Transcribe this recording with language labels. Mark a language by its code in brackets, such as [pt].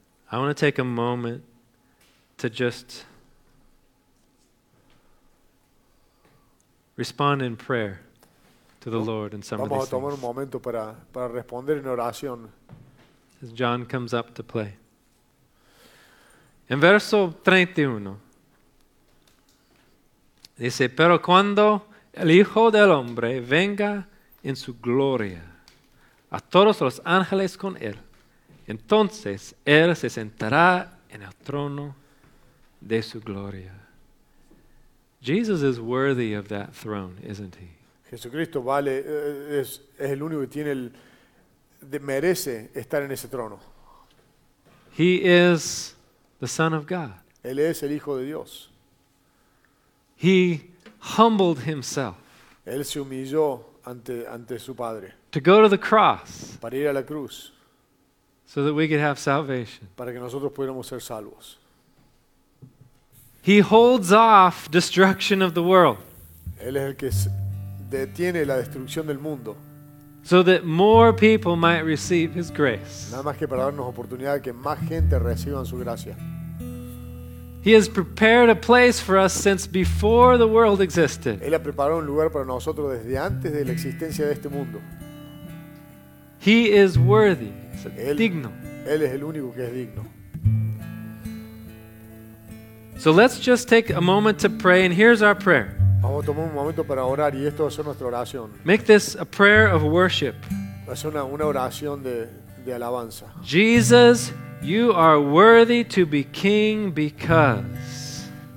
[en] I want to take a moment to just respond in prayer to the Lord in some of these things. [es] Vamos a tomar un momento para responder en oración. [en] As John comes up to play. [es] En verso 31 dice, "Pero cuando el Hijo del Hombre venga en su gloria, a todos los ángeles con él, entonces él se sentará en el trono de su gloria." [en] Jesus is worthy of that throne, isn't he? [es] Jesucristo vale, es el único que tiene el de merece estar en ese trono. [en] He is the Son of God. [es] Él es el Hijo de Dios. [en] He humbled himself. [es] Él se humilló ante su Padre. [en] To go to the cross. [es] Para ir a la cruz. [en] So that we could have salvation. [es] Para que nosotros pudiéramos ser salvos. [en] He holds off destruction of the world. [es] Él es el que detiene la destrucción del mundo. [en] So that more people might receive his grace. [es] Nada más que para darnos oportunidad que más gente reciba su gracia. [en] He has prepared a place for us since before the world existed. [es] Él ha preparado un lugar para nosotros desde antes de la existencia de este mundo. [en] He is worthy. [es] Él, digno. Él es el único que es digno. [en] So let's just take a moment to pray, and here's our prayer. [es] Vamos a tomar un momento para orar y esto va a ser nuestra oración. [en] Make this a prayer of worship. [es] Va a ser una oración de alabanza. [en] Jesus, you are worthy to be king because.